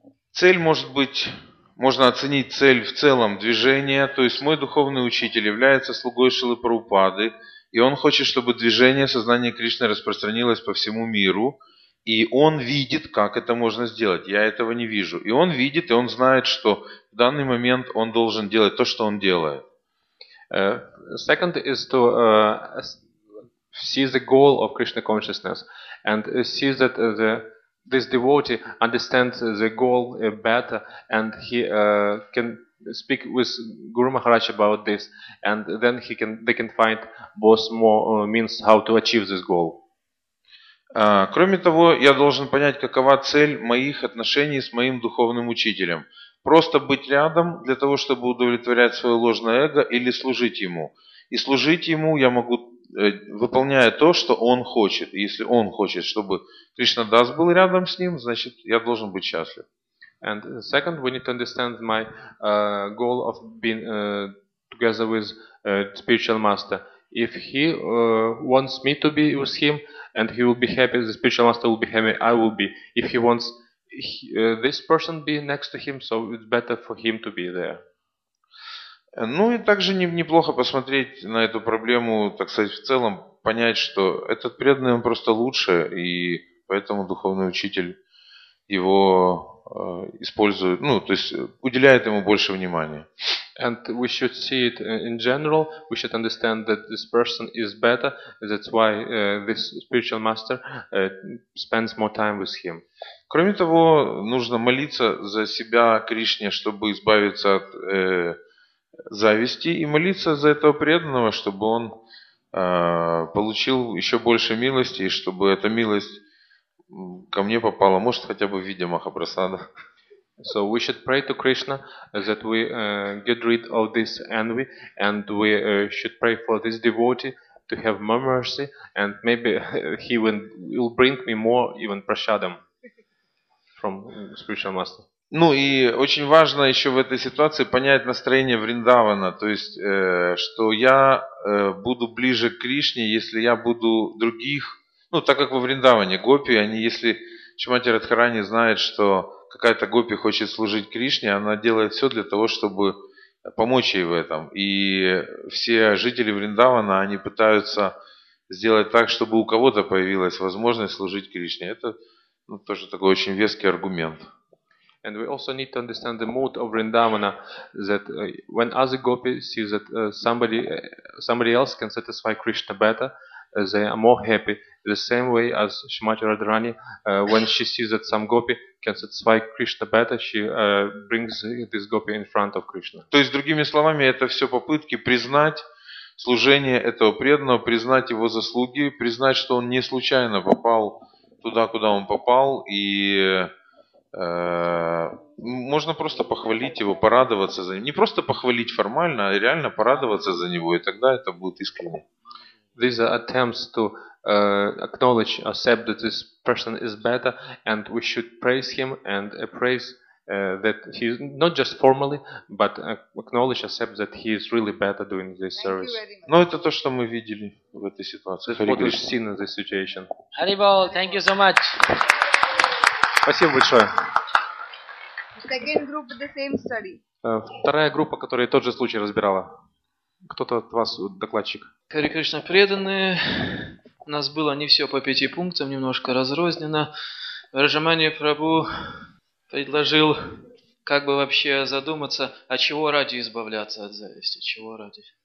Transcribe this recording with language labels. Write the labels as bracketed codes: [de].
[ru] Цель может быть, можно оценить цель в целом движения, то есть мой духовный учитель является слугой Шилы Прабхупады, и он хочет, чтобы движение сознания Кришны распространилось по всему миру, И он видит, как это можно сделать. Я этого не вижу. И он видит, и он знает, что в данный момент он должен делать то, что он делает. [en] Second is to see the goal of Krishna consciousness and see that this devotee understands the goal better and he can speak with Guru Maharaj about this and then they can find both more means how to achieve this goal. [ru] Кроме того, я должен понять, какова цель моих отношений с моим духовным учителем. Просто быть рядом для того, чтобы удовлетворять свое ложное эго или служить ему. И служить ему я могу, выполняя то, что он хочет. Если он хочет, чтобы Кришна Дас был рядом с ним, значит, я должен быть счастлив. [en] And second, we need to understand my goal of being together with spiritual master. If he wants me to be with him, and he will be happy, the spiritual master will be happy, I will be. If he wants this person be next to him, so it's better for him to be there. [ru] Ну и также неплохо посмотреть на эту проблему, так сказать, в целом, понять, что этот преданный, он просто лучше, и поэтому духовный учитель его использует, ну, то есть уделяет ему больше внимания. [en] And we should see it in general, we should understand that this person is better, that's why this spiritual master spends more time with him. [ru] Кроме того, нужно молиться за себя, Кришне, чтобы избавиться от зависти и молиться за этого преданного, чтобы он получил еще больше милости и чтобы эта милость ко мне попала, может, хотя бы в виде Махапрасада. [en] So we should pray to Krishna that we get rid of this envy and we should pray for this devotee to have more mercy and maybe he will bring me more even prashadam from spiritual master. [ru] Ну и очень важно еще в этой ситуации понять настроение Вриндавана, то есть что я буду ближе к Кришне, если я буду других, ну так как во Вриндаване гопи, они, если Шримати Радхарани знает, что какая-то гопи хочет служить Кришне, она делает все для того, чтобы помочь ей в этом. И все жители Вриндавана, они пытаются сделать так, чтобы у кого-то появилась возможность служить Кришне. Это, ну, тоже такой очень веский аргумент. [en] And we also need to understand the mood of Vrindavana, that when other gopis see that somebody else can satisfy Krishna better, they are more happy. The same way as Srimati Radharani, when she sees that some gopi can satisfy Krishna better, she brings this gopi in front of Krishna. [ru] То есть, другими словами, это все попытки признать служение этого преданного, признать его заслуги, признать, что он не случайно попал туда, куда он попал, и можно просто похвалить его, порадоваться за ним. Не просто похвалить формально, а реально порадоваться за него, и тогда это будет искренне. [en] These are attempts to acknowledge, accept that this person is better, and we should praise him and praise that he is not just formally, but acknowledge, accept that he is really better doing this service. [ru] Но это то, что мы видели в этой ситуации. [en] What we've seen in this situation. Haribol, thank you so much. [ru] Спасибо большое. [en] Second group, the same study. [ru] Вторая группа, которая тот же случай разбирала. Кто-то от вас докладчик? Хари Кришна преданные. У нас было не все по пяти пунктам, немножко разрознено. Раджамани Прабу предложил как бы вообще задуматься, а чего ради избавляться от зависти, чего ради.